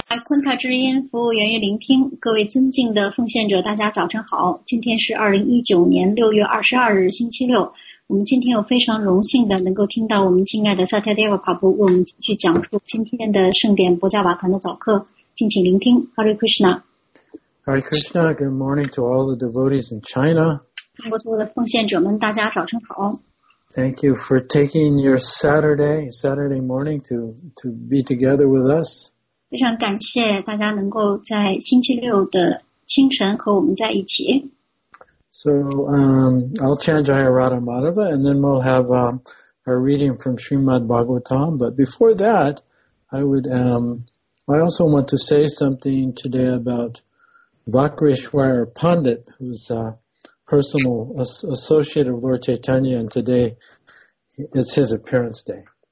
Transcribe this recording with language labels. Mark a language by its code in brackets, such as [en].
[zh] 啊，昆塔之音服务源于聆听，各位尊敬的奉献者，大家早晨好。今天是2019年6月22日，星期六。我们今天有非常荣幸的能够听到我们敬爱的萨提德瓦帕布为我们去讲述今天的盛典博加瓦坎的早课，敬请聆听。 [en] Hare Krishna。 Hare Krishna, good morning to all the devotees in China. [zh] 中国的奉献者们，大家早晨好。 [en] Thank you for taking your Saturday morning to be together with us. [zh] 非常感谢大家能够在星期六的清晨和我们在一起。 [en] So, I'll chant Jaya Radha Madhava and then we'll have our reading from Srimad Bhagavatam. But before that, I also want to say something today about Vakreshwar Pandit, who's a personal associate of Lord Chaitanya, and today it's his appearance day.